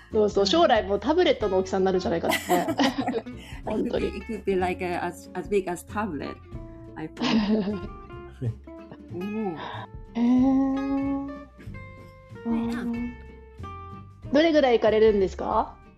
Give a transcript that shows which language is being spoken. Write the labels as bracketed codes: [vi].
[ja] そう将来もタブレットの大きさになるじゃないかって。本当に。 [en] It could be like as big as tablet iPhone. [ja] どれぐらい行かれるんですか？